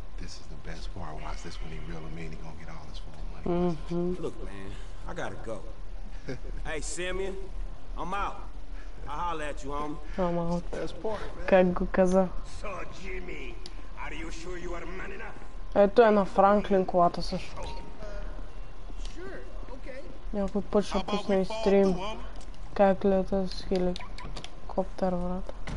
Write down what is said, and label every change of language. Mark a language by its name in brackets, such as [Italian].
[English] This is the best part. Watch this when he really mean he gonna get all this full money. Mm-hmm. Look, man, I gotta go. Hey, Simeon, I'm out. I'll holler at you, homie. I'm out. The best part, man. [Bulgarian] Как го каза. [English] So, Jimmy, are you sure you are man enough? [Bulgarian] Ето е на Франклин колата също. Някой път ще пусне и стрим. Как лета с хеликоптер, брат?